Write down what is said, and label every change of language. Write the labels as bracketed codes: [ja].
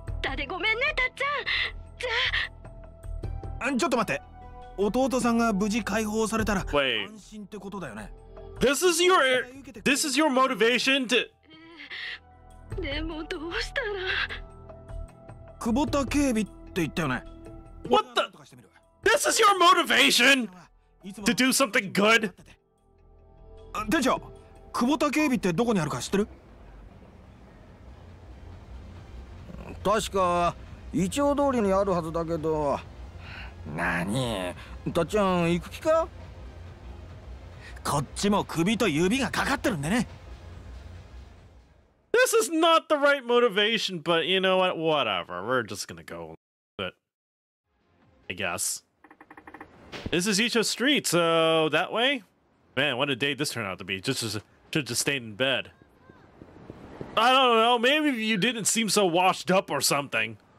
[ja] だでごめんねたっちゃん。あちょっと待って、弟さんが無事解放されたら安心ってことだよね。 [en] This is your motivation to、 [ja] でもどうしたら。久保田警備って言ったよね。 [en] What the This is your motivation to do something good。 [ja] 店長、久保田警備ってどこにあるか知ってる？確か一応通りにあるはずだけど。何？たっちゃん行く気か？こっちも首と指がかかってるんでね。 [en] This is not the right motivation, but you know what? Whatever. We're just gonna go. But I guess. This is Icho Street, so that way? Man, what a day this turned out to be. Should just stay in bed. I don't know, maybe you didn't seem so washed up or something.